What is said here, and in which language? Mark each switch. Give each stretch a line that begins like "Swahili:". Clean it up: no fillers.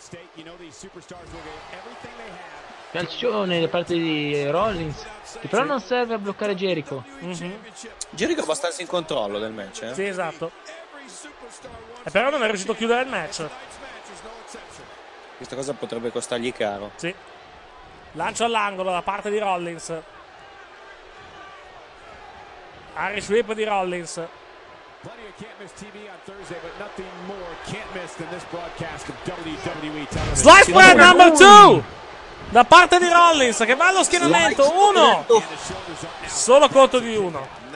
English: stake, you know these superstars will get everything they have.
Italian: Calcione da parte di Rollins, che però non serve a bloccare Jericho. Mm-hmm. Jericho è abbastanza in controllo del match, eh? Sì, esatto. E però non è riuscito a chiudere il match. Questa cosa potrebbe costargli caro. Sì. Lancio all'angolo da parte di Rollins. Harry sweep di Rollins.
English: Plenty of can't miss TV on Thursday, but nothing more can't miss than this broadcast of WWE television. Slice plan number two!
Italian: Da parte di Rollins, che va allo schienamento, uno, solo conto di uno.